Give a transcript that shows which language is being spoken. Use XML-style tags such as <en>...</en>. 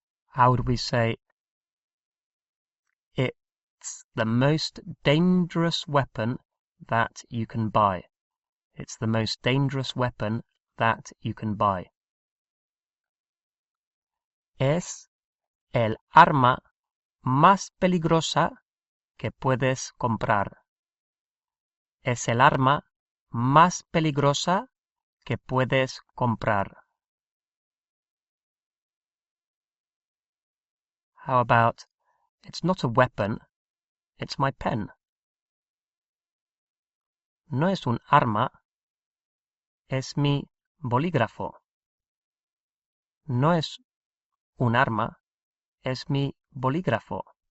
<en>How would we say, it's the most dangerous weapon that you can buy? It's the most dangerous weapon that you can buy.</en> <es>Es el arma más peligrosa que puedes comprar. Es el arma más peligrosa que puedes comprar.</es> <en>How about, it's not a weapon, it's my pen.</en> <es>No es un arma, es mi bolígrafo. No es un arma, es mi bolígrafo.</es>